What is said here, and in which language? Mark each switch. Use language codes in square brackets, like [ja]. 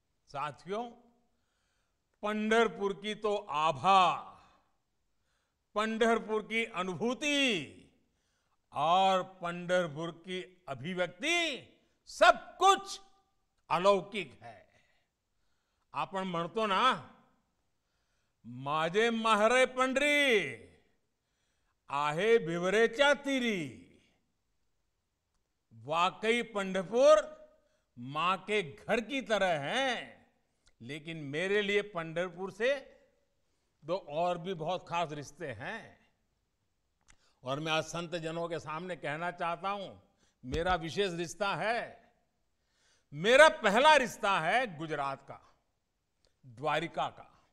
[hi] साथियों, पंढरपुर की तो आभा, पंढरपुर की अनुभूति और पंढरपुर की अभिव्यक्ति, सब कुछ अलौकिक है। [mr] आपण म्हणतो ना, माझे महरे पंढरी आहे भिवरेच्या तीरी, [hi] वाकई पंढरपुर मां के घर की तरह है। लेकिन मेरे लिए पंढरपुर से दो और भी बहुत खास रिश्ते हैं, और मैं आज संत जनों के सामने कहना चाहता हूं, मेरा विशेष रिश्ता है। मेरा पहला रिश्ता है गुजरात का, द्वारिका का।